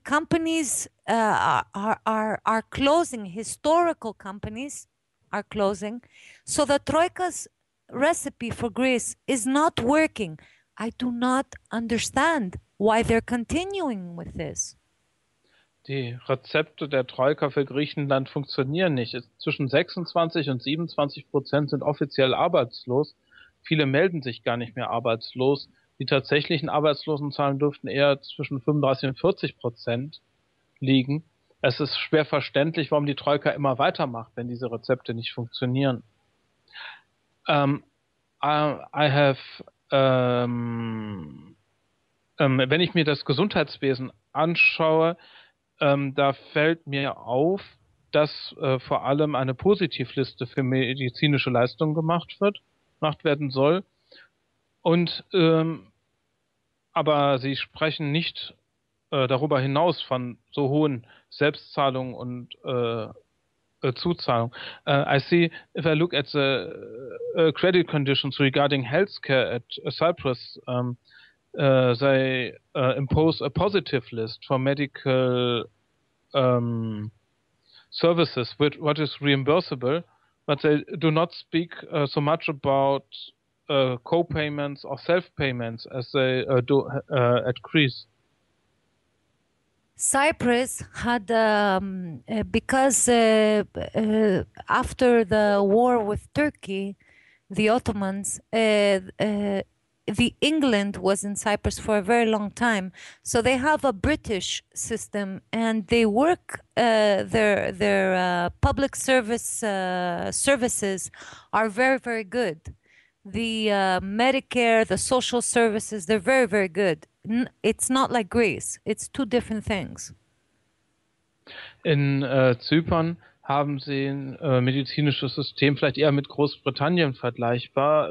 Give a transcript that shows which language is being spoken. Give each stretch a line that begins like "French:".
English: Companies are closing. Historical companies are closing. So the Troika's recipe for Greece is not working. I do not understand why they're continuing with this.
German: Die Rezepte der Troika für Griechenland funktionieren nicht. Zwischen 26 und 27% sind offiziell arbeitslos. Viele melden sich gar nicht mehr arbeitslos. Die tatsächlichen Arbeitslosenzahlen dürften eher zwischen 35 und 40% liegen. Es ist schwer verständlich, warum die Troika immer weitermacht, wenn diese Rezepte nicht funktionieren. Wenn ich mir das Gesundheitswesen anschaue, da fällt mir auf, dass vor allem eine Positivliste für medizinische Leistungen gemacht werden soll. Und aber Sie sprechen nicht darüber hinaus von so hohen Selbstzahlungen und Zuzahlungen.
English: I see, if I look at the credit conditions regarding healthcare at Cyprus, they impose a positive list for medical services, with what is reimbursable, but they do not speak so much about co-payments or self-payments as they do at Greece. Cyprus had, because after the war with Turkey, the Ottomans, the England was in Cyprus for a very long time. So they have a British system, and they work their public service services are very, very good. The Medicare, the social services, they're very, very good. It's not like Greece. It's two different things.
German: In Zypern haben sie ein medizinisches System, vielleicht eher mit Großbritannien vergleichbar.